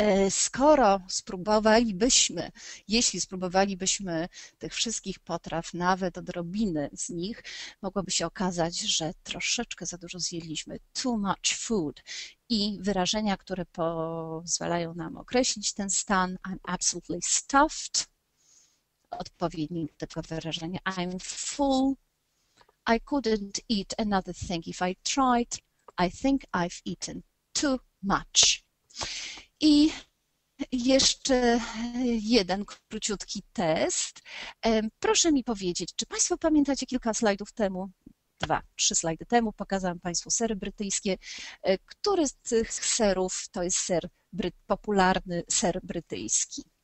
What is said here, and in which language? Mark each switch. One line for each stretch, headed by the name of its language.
Polish: Skoro spróbowalibyśmy, jeśli spróbowalibyśmy tych wszystkich potraw, nawet odrobiny z nich, mogłoby się okazać, że troszeczkę za dużo zjedliśmy,
English: too much food.
Polish: I wyrażenia, które pozwalają nam określić ten stan,
English: I'm absolutely stuffed,
Polish: odpowiednik tego wyrażenia,
English: I'm full, I couldn't eat another thing. If I tried, I think I've eaten too much.
Polish: I jeszcze jeden króciutki test. Proszę mi powiedzieć, czy Państwo pamiętacie kilka slajdów temu? Dwa, trzy slajdy temu pokazałam Państwu sery brytyjskie. Który z tych serów to jest ser popularny ser brytyjski?